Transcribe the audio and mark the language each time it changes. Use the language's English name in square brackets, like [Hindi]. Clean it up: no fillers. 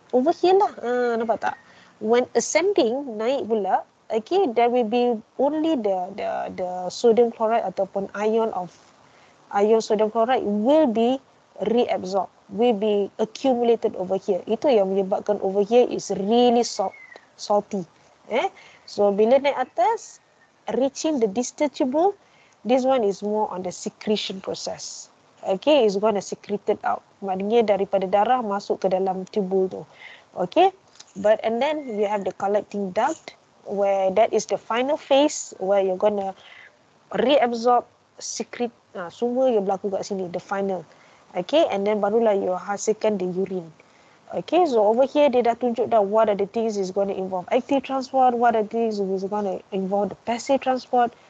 [English] Over here lah, [Malay] nampak tak? [English] When ascending, [Malay] naik pula, [English] okay, there will be only the sodium chloride ataupun ion sodium chloride will be reabsorbed, will be accumulated over here. [Malay] Itu yang menyebabkan [English] over here is really salty. Eh? So, [Malay] bila naik atas, [English] reaching the distal tubule, this one is more on the secretion process. Okay, it's going to secrete it out. [Malay] Maknanya daripada darah masuk ke dalam tubule tu. [English] Okay, but and then you have the collecting duct where that is the final phase where you're going to reabsorb, secrete, [Malay] semua yang berlaku kat sini, [English] the final. Okay, and then barulah you hasilkan the urine. Okay, so over here, [Malay] dia dah tunjuk dah [English] what are the things is going to involve active transport, what are the things is going to involve the passive transport.